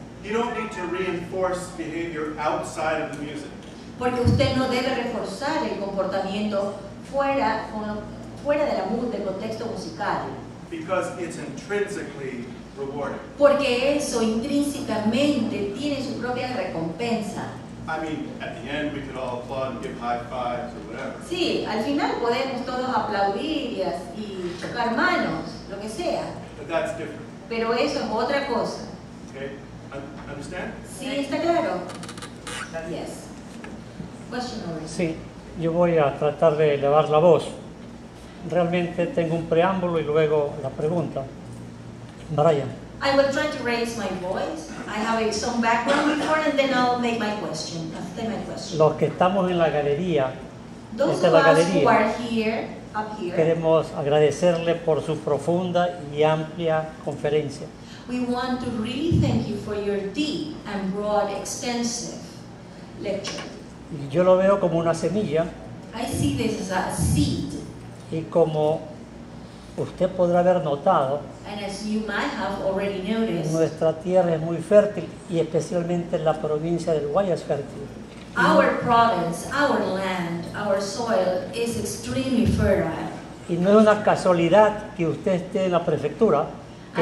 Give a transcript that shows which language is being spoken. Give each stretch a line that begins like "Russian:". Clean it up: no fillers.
English: You don't need to reinforce behavior outside of the music.
Spanish: Porque usted no debe reforzar el comportamiento fuera del contexto musical.
English: Because it's intrinsically rewarding.
Spanish: Porque eso intrínsecamente tiene su propia recompensa.
English: I mean, at the end we could all applaud and give high fives or whatever.
Spanish: Sí, al final podemos todos aplaudir y chocar manos, lo que sea.
English: But that's different.
Spanish: Pero eso es otra cosa.
English: Okay, understand?
Spanish: Sí, está claro.
English: Yes. Question over.
Spanish: Sí, yo voy a tratar de elevar la voz. Realmente tengo un preámbulo y luego la pregunta.
English: Brian. I will try to raise my voice. I have some background before and then I'll make my question.
Spanish: Los que estamos en la galería,
English: those
Spanish: of la galería,
English: us who are here, up here,
Spanish: queremos agradecerle por su profunda y amplia conferencia.
English: We want to really thank you for your deep and broad extensive lecture.
Spanish: Y yo lo veo como una semilla.
English: I see this as a seed.
Spanish: Y como usted podrá haber notado,
English: noticed,
Spanish: nuestra tierra es muy fértil y especialmente la provincia del Guayas es fértil.
English: Our province, our land, our soil is extremely fertile.
Spanish: Y no es una casualidad que usted esté en la prefectura que